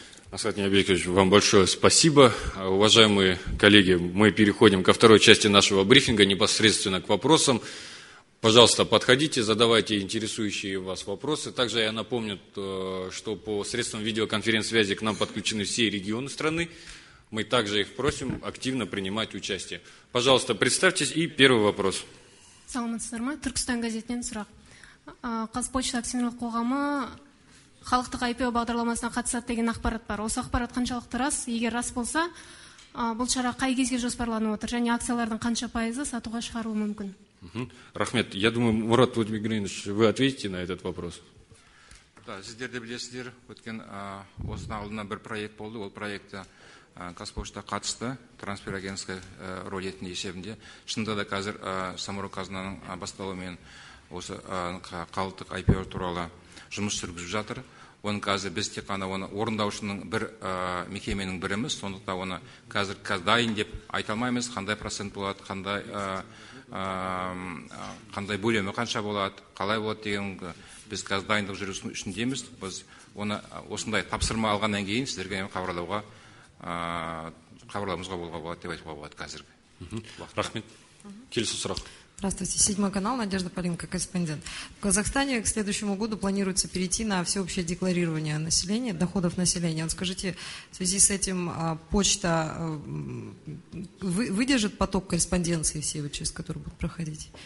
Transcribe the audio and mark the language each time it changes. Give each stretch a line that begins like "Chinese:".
Russian: Асхат Ниябекович, вам большое спасибо. Уважаемые коллеги, мы переходим ко второй части нашего брифинга, непосредственно к вопросам. Пожалуйста, подходите, задавайте интересующие вас вопросы. Также я напомню, что по средствам видеоконференц-связи к нам подключены все регионы страны. Мы также их просим активно принимать участие. Пожалуйста, представьтесь и первый вопрос.
Kazakh: Саламатсыз ба, Түркістан газетінен сұрақ. Қазпочта акционерлік қоғамы халықтық IPO бағдарламасына қатысады деген ақпарат бар. Осы ақпарат қаншалықты рас? Егер рас болса, бұл шара қай кезге жоспарланып отыр, және акциялардың қанша пайызы сатуға шығаруы мүмкін? Рахмет.
Russian: Я думаю, Мурат Владимир Григорьевич, вы ответите на этот вопрос.
Kazakh: Да, сіздерді білесіздер, өткен осына алдына бір проект болды, ол проекті Қазпошта қатысты,
Russian: трансфер агентская роль
Kazakh: етінде есебінде. Шынында да қазір Самұрық қазынаның басталуы мен осы қалдық IPO туралы жұмыс жүргізіп жатыр. Оны қазір біз тек қана оны орындаушының бір мекеменің біріміз, сондықта оны қазір дайын деп айта алмаймыз, қандай процент болады, қандай бөлемі қанша болады, қалай болады деген біз қазір дайындық жүргізу үшіндеміз. Біз оны осындай тапсырма алғаннан кейін сіздерге хабарлауға хабарлауымызға болуға болады деп айтуға болады қазіргі. Рахмет. Келесі сұрақ.
Russian: Здравствуйте. Седьмой канал. Надежда Полинка, корреспондент. В Казахстане к следующему году планируется перейти на всеобщее декларирование населения, доходов населения. Вот скажите, в связи с этим почта выдержит поток корреспонденции все, через которую будут проходить?